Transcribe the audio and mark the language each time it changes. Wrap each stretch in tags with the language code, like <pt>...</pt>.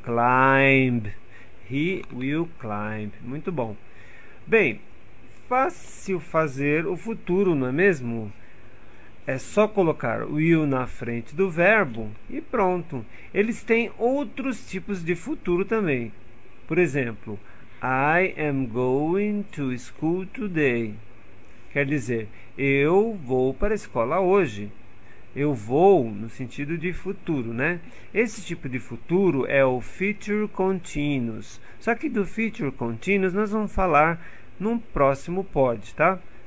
<en>Climb. He will climb.</en> <pt>Muito bom. Bem, fácil fazer o futuro, não é mesmo? É só colocar will na frente do verbo e pronto. Eles têm outros tipos de futuro também. Por exemplo,</pt> <en>I am going to school today.</en> <pt>Quer dizer, eu vou para a escola hoje. Eu vou no sentido de futuro, né? Esse tipo de futuro é o future continuous. Só que do future continuous nós vamos falar num próximo pod, tá?</pt>